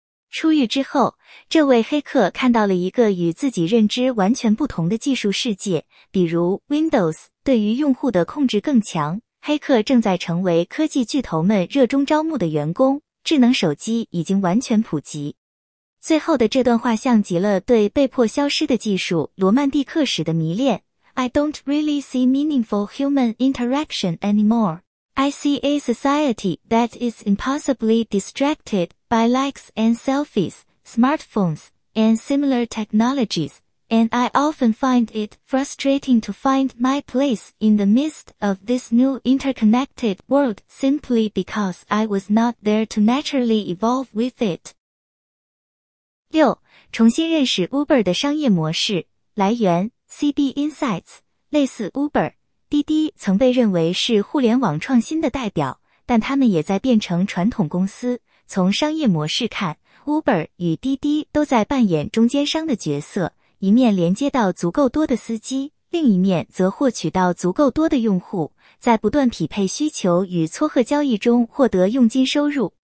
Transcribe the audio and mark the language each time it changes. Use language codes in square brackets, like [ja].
[zh] 出狱之后，这位黑客看到了一个与自己认知完全不同的技术世界，比如 Windows 对于用户的控制更强，黑客正在成为科技巨头们热衷招募的员工，智能手机已经完全普及。最后的这段话像极了对被迫消失的技术罗曼蒂克时的迷恋， [en] I don't really see meaningful human interaction anymore.I see a society that is impossibly distracted by likes and selfies, smartphones, and similar technologies, and I often find it frustrating to find my place in the midst of this new interconnected world simply because I was not there to naturally evolve with it. 6. [zh] 重新认识 Uber 的商业模式。来源 CB Insights。类似 Uber, 滴滴曾被认为是互联网创新的代表，但他们也在变成传统公司。从商业模式看， Uber 与滴滴都在扮演中间商的角色，一面连接到足够多的司机，另一面则获取到足够多的用户，在不断匹配需求与撮合交易中获得佣金收入。